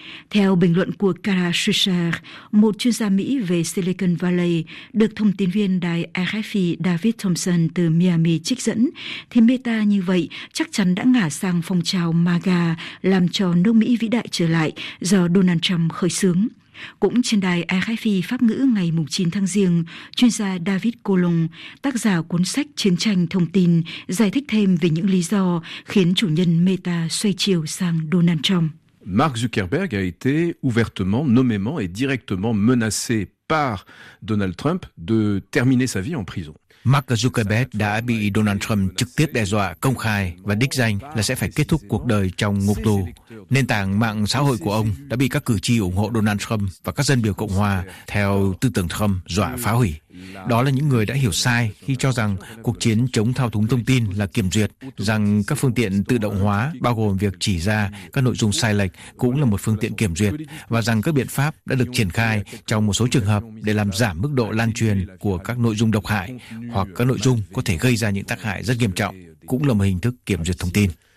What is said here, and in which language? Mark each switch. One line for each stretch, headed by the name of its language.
Vietnamese: Theo bình luận của Kara Swisher, một chuyên gia Mỹ về Silicon Valley, được thông tin viên đài RFI David Thompson từ Miami trích dẫn, thì Meta như vậy chắc chắn đã ngả sang phong trào MAGA làm cho nước Mỹ vĩ đại trở lại do Donald Trump khởi xướng. Cũng trên đài RFI Pháp ngữ ngày 9 tháng Giêng, chuyên gia David Colon, tác giả cuốn sách Chiến tranh thông tin, giải thích thêm về những lý do khiến chủ nhân Meta xoay chiều sang Donald Trump.
French: Mark Zuckerberg a été ouvertement, nommément et directement menacé par Donald Trump de terminer sa vie en prison.
Vietnamese: Mark Zuckerberg đã bị Donald Trump trực tiếp đe dọa công khai và đích danh là sẽ phải kết thúc cuộc đời trong ngục tù. Nền tảng mạng xã hội của ông đã bị các cử tri ủng hộ Donald Trump và các dân biểu Cộng Hòa theo tư tưởng Trump dọa phá hủy. Đó là những người đã hiểu sai khi cho rằng cuộc chiến chống thao túng thông tin là kiểm duyệt, rằng các phương tiện tự động hóa, bao gồm việc chỉ ra các nội dung sai lệch cũng là một phương tiện kiểm duyệt, và rằng các biện pháp đã được triển khai trong một số trường hợp để làm giảm mức độ lan truyền của các nội dung độc hại hoặc các nội dung có thể gây ra những tác hại rất nghiêm trọng, cũng là một hình thức kiểm duyệt thông tin.